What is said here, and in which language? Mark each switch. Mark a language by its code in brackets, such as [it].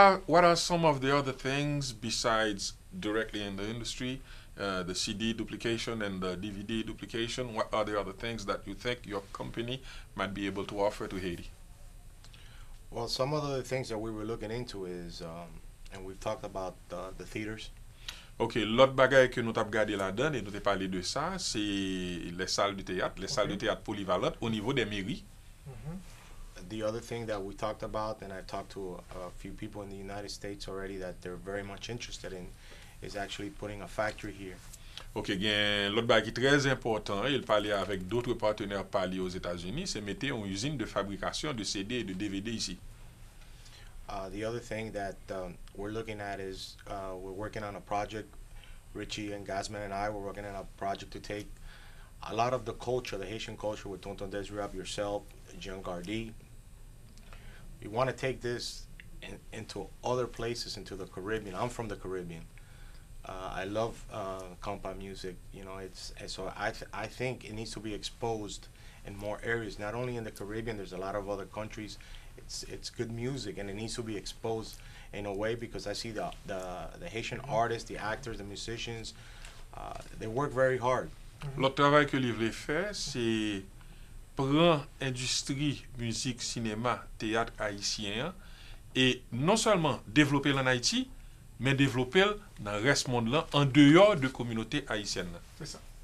[en] What are some of the other things besides directly in the industry, the CD duplication and the DVD duplication? What are the other things that you think your company might be able to offer to Haiti? Well, some of the things that we were looking into is, and we've talked about the theaters. [fr] Okay, l'autre bagaille que nous avons gardé là-dedans et nous avons parlé de ça, c'est les salles de théâtre, les salles de théâtre polyvalentes au niveau des mairies. [en] The other thing that we talked about, and I've talked to a few people in the United States already that they're very much interested in, is actually putting a factory here. [fr] Okay, bien, l'autre bagaille très important, il parlait avec d'autres partenaires parlés aux États-Unis, c'est mettre une usine de fabrication de CD et de DVD ici. [en] The other thing that we're looking at is we're working on a project. Richie and Gasman and I were working on a project to take a lot of the culture, the Haitian culture, with Tonton Desirab, yourself, Jean Gardy. We want to take this into other places, into the Caribbean. I'm from the Caribbean. I love compa music, you know, I think it needs to be exposed in more areas, not only in the Caribbean, there's a lot of other countries. It's good music and it needs to be exposed in a way because I see the Haitian artists, the actors, the musicians, they work very hard. [fr] L'autre travail que Livre fait, c'est prendre industrie, musique, cinéma, théâtre haïtien et non seulement développer l'en Haïti, mais développer dans le reste du monde là, en dehors de communauté haïtienne. C'est ça.